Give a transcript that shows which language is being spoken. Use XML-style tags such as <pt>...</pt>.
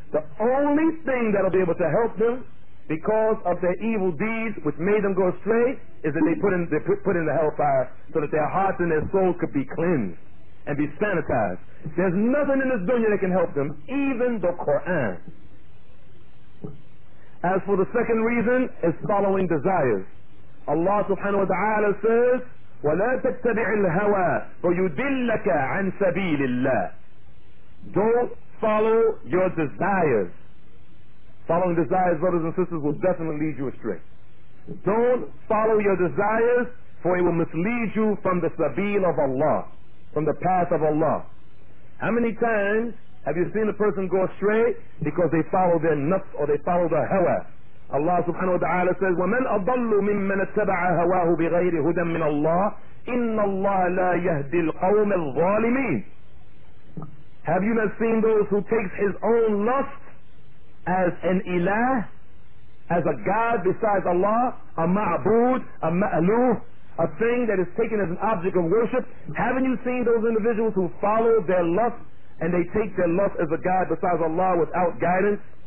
<en>The only thing that'll be able to help them, because of their evil deeds which made them go astray, is that they put in the hellfire so that their hearts and their souls could be cleansed and be sanitized. There's nothing in this dunya that can help them, even the Quran. As for the second reason, is following desires. Allah subhanahu wa ta'ala says,</en> <ar>وَلَا تَتَّبِعِ الْهَوَى فَيُدِلَّكَ عَنْ سَبِيلِ اللَّهِ.</ar> <en>Don't follow your desires. Following desires, brothers and sisters, will definitely lead you astray. Don't follow your desires, for it will mislead you from the sabil of Allah, from the path of Allah. How many times have you seen a person go astray because they follow their nafs or they follow their hawa? Allah subhanahu wa ta'ala says,</en> <ar>وَمَنْ أَضَلُّ مِمَّنْ اتَّبَعَ هَوَاهُ بِغَيْرِ هُدًى مِّنَ اللَّهِ إِنَّ اللَّهَ لَا يَهْدِي الْقَوْمِ الظَّالِمِينَ.</ar> <en>Have you not seen those who takes his own lust as an ilah, as a god besides Allah, a ma'bud, a ma'aluh, a thing that is taken as an object of worship? Haven't you seen those individuals who follow their lust and they take their lust as a god besides Allah without guidance?</en>